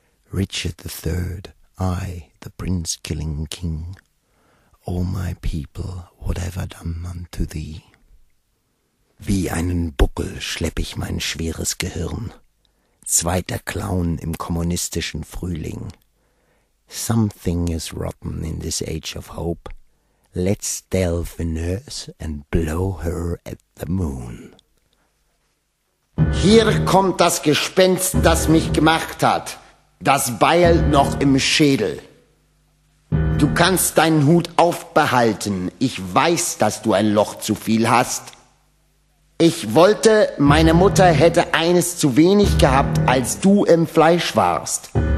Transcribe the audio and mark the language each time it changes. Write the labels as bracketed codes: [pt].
[en] Richard the Third, I, the prince-killing king. O my people, what have I done unto thee? [de] Wie einen Buckel schlepp ich mein schweres Gehirn. Zweiter Clown im kommunistischen Frühling. [en] Something is rotten in this age of hope. Let's delve in earth and blow her at the moon. [de] Hier kommt das Gespenst, das mich gemacht hat. Das Beil noch im Schädel. Du kannst deinen Hut aufbehalten. Ich weiß, dass du ein Loch zu viel hast. Ich wollte, meine Mutter hätte eines zu wenig gehabt, als du im Fleisch warst.